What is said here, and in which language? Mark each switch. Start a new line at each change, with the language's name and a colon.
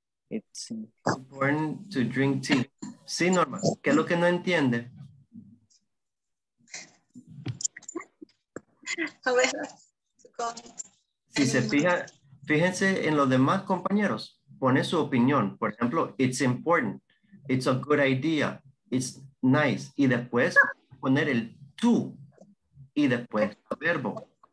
English: It's important to drink tea.
Spanish: Sí, Norma, ¿qué es lo que no entiende? Si se fija, fíjense en los demás compañeros, pone su opinión. Por ejemplo,
English: it's important, it's a good idea, it's nice.
Spanish: Y después poner el to y después el verbo.